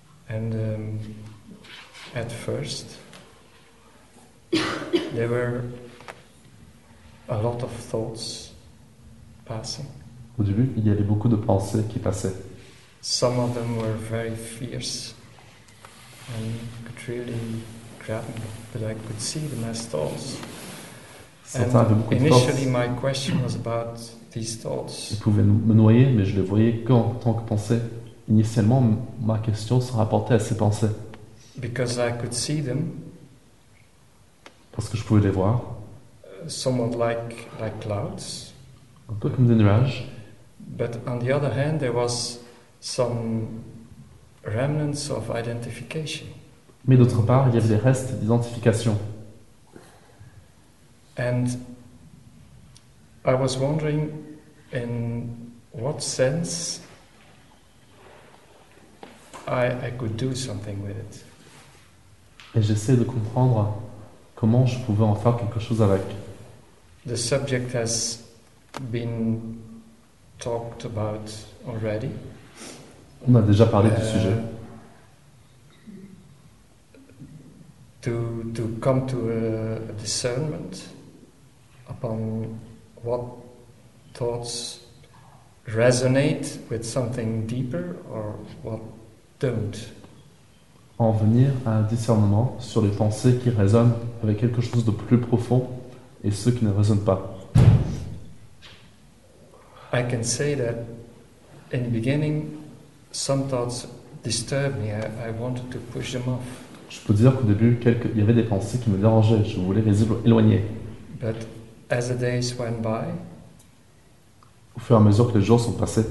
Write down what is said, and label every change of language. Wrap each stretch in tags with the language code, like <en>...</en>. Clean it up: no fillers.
<en>And at first there were a lot of thoughts passing.</en> <fr>Au début, il y avait beaucoup de pensées qui passaient.</fr> <en>Some of them were very fierce and could really grab me, but I could see them as thoughts. Initially, my question was about these thoughts.</en> <fr>Ils pouvaient me noyer, mais je les voyais qu'en tant que pensée. Initialement, ma question se rapportait à ces pensées.</fr> <en>Because I could see them.</en> <fr>Parce que je pouvais les voir.</fr> <en>Somewhat like clouds.</en> <fr>Un peu comme des nuages.</fr> <en>But on the other hand, there was some remnants of identification.</en> <fr>Mais d'autre part, il y avait des restes d'identification.</fr> <en>And I was wondering in what sense I could do something with it.</en> <fr>Et j'essaie de comprendre comment je pouvais en faire quelque chose avec.</fr> <en>The subject has been talked about already.</en> <fr>On a déjà parlé du sujet.</fr> <en>to come to a discernment upon what thoughts resonate with something deeper or what don't.</en> <fr>En venir à un discernement sur les pensées qui résonnent avec quelque chose de plus profond et ceux qui ne résonnent pas.</fr> <en>I can say that in the beginning some thoughts disturbed me, I wanted to push them off.</en> <fr>Je peux dire qu'au début il y avait des pensées qui me dérangeaient, je voulais les éloigner.</fr> <en>But as the days went by,</en> <fr>au fur et à mesure que les jours sont passés,</fr>